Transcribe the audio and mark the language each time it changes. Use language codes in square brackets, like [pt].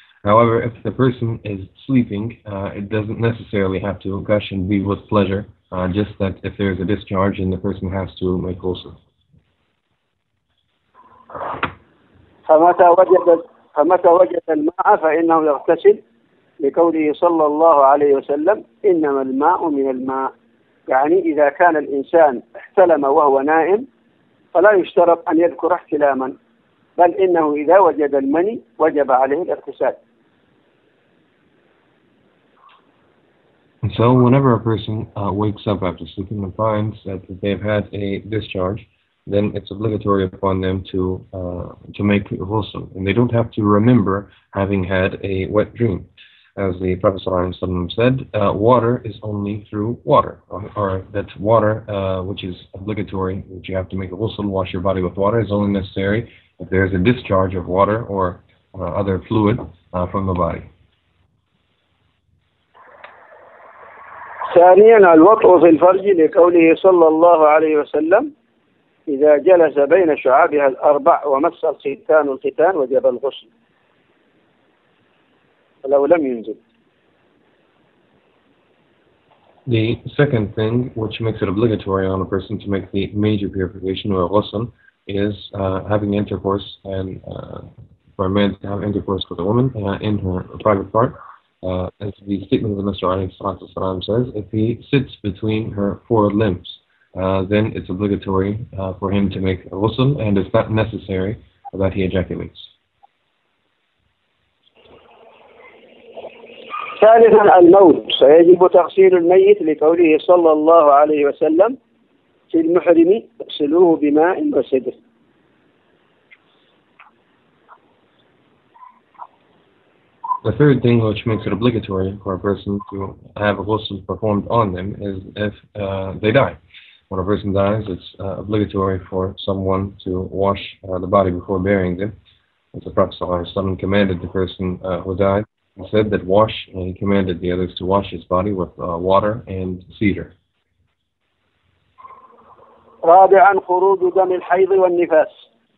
[en] However, if the person is sleeping, it doesn't necessarily have to gush and be with pleasure, just that if there is a discharge and the person has to make ghusl. [ar] فمتى وجد الماء فإنه يغتسل لقوله صلى الله عليه وسلم إنما الماء من الماء، يعني إذا كان الإنسان احتلم وهو نائم فلا يشترط أن يذكر احتلاما، بل إنه إذا وجد المني وجب عليه الاغتسال. [en] So whenever a person wakes up after sleeping and finds that they've had a discharge, then it's obligatory upon them to make ghusl, and they don't have to remember having had a wet dream. As the Prophet ﷺ said, water is only through water, or that water which is obligatory, which you have to make ghusl, wash your body with water, is only necessary if there is a discharge of water or other fluid from the body. [ar] ثانيا الوطء في الفرج لقوله صلى الله عليه وسلم إذا جلس بين شعابها الأربع ومس الختان الختان وجب الغسل لو لم ينزل. [en] The second thing which makes it obligatory on a person to make the major purification or ghusl is having intercourse, and for a man to have intercourse with a woman in her private part, as the statement of the Messenger [ar] alayhi salatu wasalam [en] says, if he sits between her four limbs, then it's obligatory for him to make a ghusl, and it's not necessary that he ejaculates. [ar] ثالثا الموت سيجب تغسيل الميت لقوله صلى الله عليه وسلم في المحرم اغسلوه بماء وسدر. [en] The third thing which makes it obligatory for a person to have a ghusl performed on them is if they die. When a person dies, it's obligatory for someone to wash the body before burying them. As the Prophet ﷺ commanded the person who died, he said that wash, and he commanded the others to wash his body with water and cedar. [ar] رابعا خروج دم الحيض والنفاس.